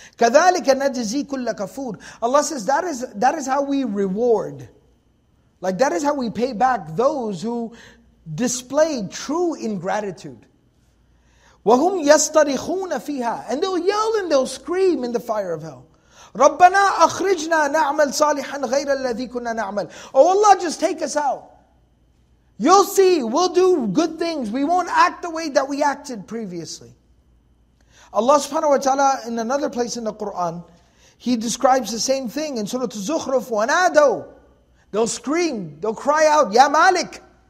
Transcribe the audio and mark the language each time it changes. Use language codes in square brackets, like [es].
[ar] كَذَلِكَ نَجْزِي كُلَّ كَفُورٍ, [en] Allah says that is how we reward. Like that is how we pay back those who display true ingratitude. [ar] وَهُمْ يَسْتَرِخُونَ فِيهَا, [en] and they'll yell and they'll scream in the fire of hell. [ar] رَبَّنَا أَخْرِجْنَا نَعْمَلْ صَالِحًا غَيْرَ الَّذِي كُنَّا نَعْمَلْ, [en] oh Allah, just take us out. You'll see, we'll do good things. We won't act the way that we acted previously. Allah subhanahu wa ta'ala, in another place in the Qur'an, He describes the same thing in Surah Az-Zukhruf, وَنَادَوْ, they'll scream, they'll cry out, Ya Malik!